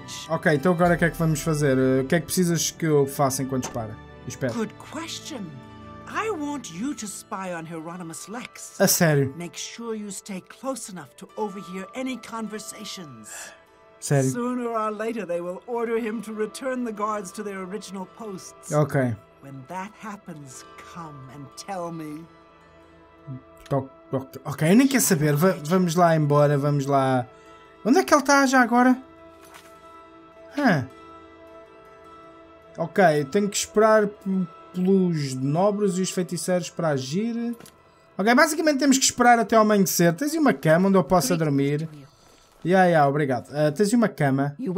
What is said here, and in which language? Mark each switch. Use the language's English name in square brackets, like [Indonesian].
[Portuguese] Ok, então agora o que é que vamos fazer? O que é que precisas que eu faça enquanto espera? Espera. [English] Good question. I want you to spy on Hieronymus Lex. [Portuguese] A sério? [English] Make sure you stay close enough to overhear any conversations. [Portuguese] Sério? [English] Sooner or later they will order him to return the guards to their original posts. Ok. When that happens, come and tell me. [Portuguese] Ok, eu nem quero saber. Vamos lá embora, vamos lá. Onde é que ele está já agora? Ok, tenho que esperar pelos nobres e os feiticeiros para agir. Ok, basicamente temos que esperar até ao amanhecer. Tens uma cama onde eu possa dormir? Yeah, obrigado. Tens uma cama?